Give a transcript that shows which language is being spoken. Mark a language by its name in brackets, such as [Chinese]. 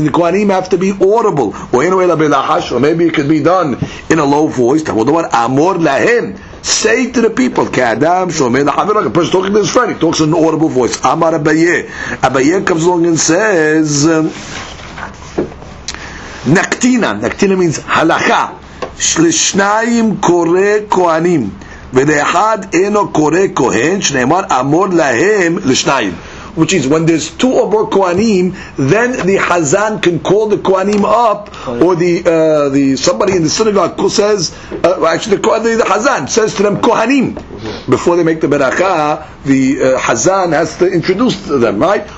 [English] The Kohanim have to be audible. Or maybe it could be done in a low voice. [Hebrew] Amor lahem. [English] Say to the people. [Hebrew] Kadam shomer lachaver. [English] A person talking to his friend. He talks in an audible voice. [Hebrew] Amar Abaye. [English] Abaye comes along and says, Naktina. Naktina means halakha. [Hebrew] Shlishnayim kore Kohanim. ולאחד אינו קורא כהן, שנאמר אמור להם לשניים. [English] Which is, when there's two or more Kohanim, then the Hazan can call the Kohanim up, or the somebody in the synagogue who says, actually the Hazan says to them, Kohanim. Before they make the Beracha, the Hazan has to introduce them, right?